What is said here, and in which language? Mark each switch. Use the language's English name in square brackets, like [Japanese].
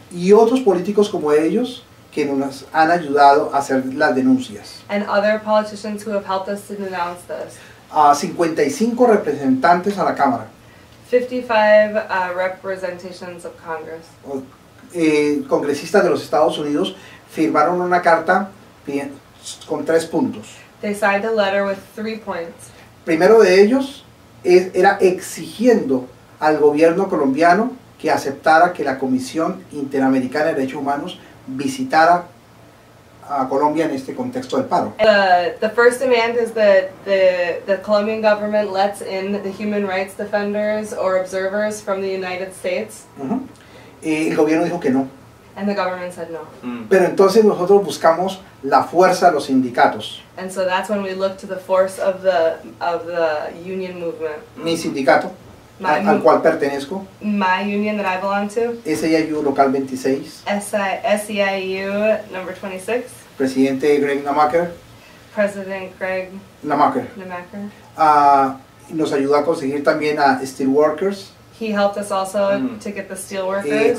[Spanish] y otros políticos como ellos que nos han ayudado a hacer las denuncias. [English] And other politicians who have helped us to denounce this. [Spanish] 55 representantes a la Cámara. [English] 55 representations of Congress. [Spanish] Congresistas de los Estados Unidos firmaron una carta con tres puntos. [English] They signed a letter with 3 points. [Spanish] Primero de ellos era exigiendo al gobierno colombiano que aceptara que la Comisión Interamericana de Derechos Humanos visitara a Colombia en este contexto del paro. [English] The first demand is that the Colombian government lets in the human rights defenders or observers from the United States. [Spanish] Uh-huh. El gobierno dijo que no. [English] And the government said no. [Spanish] Pero entonces nosotros buscamos la fuerza de los sindicatos. [English] And so that's when we look to the force of the union movement. [Spanish] Mi sindicato, al cual pertenezco. [English] My union that I belong to. SEIU local 26. SEIU number 26. [Spanish] Presidente Greg Namaker. [English] President Greg Namaker. Namaker. [Spanish] Nos ayudó a conseguir también a [English] steel workers. He helped us also to get the steel workers.